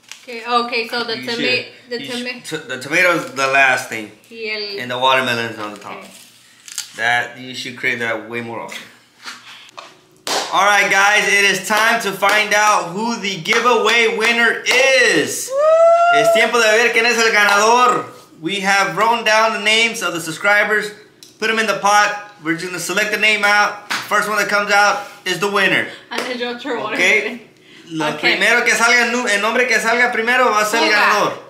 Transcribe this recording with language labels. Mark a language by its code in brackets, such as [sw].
[en] Okay, so the tomato is the last thing. Yeah. And the watermelon is on the top. Okay. That you should crave that way more often. All right, guys, it is time to find out who the giveaway winner is. Woo! [es] Es tiempo de ver quién es el ganador. [en] We have written down the names of the subscribers, put them in the pot. We're just gonna select the name out. First one that comes out is the winner. Okay. [es] Lo primero que salga, el nombre que salga primero va a ser el ganador.